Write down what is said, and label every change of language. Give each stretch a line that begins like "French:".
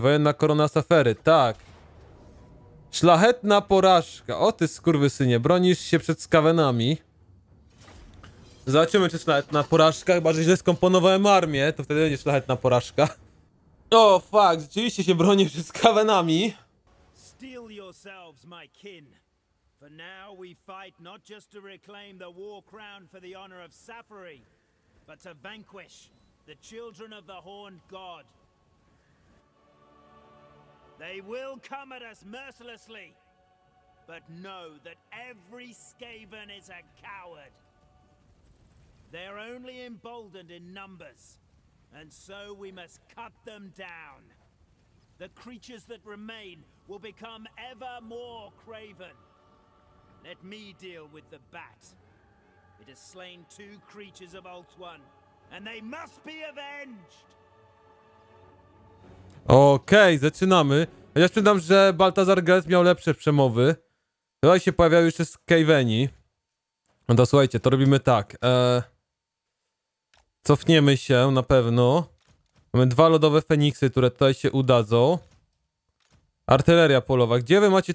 Polish: Wojenna korona Safery, tak. Szlachetna porażka. O ty skurwysynie, bronisz się przed skawenami. Zobaczymy, czy szlachetna porażka, chyba że źle skomponowałem armię, to wtedy będzie szlachetna porażka. O, fuck, rzeczywiście się broni przed skawenami.
English: Steal yourselves, my kin. For now we fight not just to reclaim the war crown for the honor of Safari, but to vanquish the children of the Horned God. They will come at us mercilessly, but know that every Skaven is a coward. They're only emboldened in numbers, and so we must cut them down. The creatures that remain will become ever more craven. Let me deal with the bat. It has slain two creatures of Ultuan, and they must be avenged!
Polish: Okej, okay, zaczynamy. Ja przyznam, że Baltazar Gres miał lepsze przemowy. Tutaj się pojawiały jeszcze Skaveni. No to słuchajcie, to robimy tak. Cofniemy się na pewno. Mamy dwa lodowe Feniksy, które tutaj się udadzą. Artyleria polowa. Gdzie wy macie?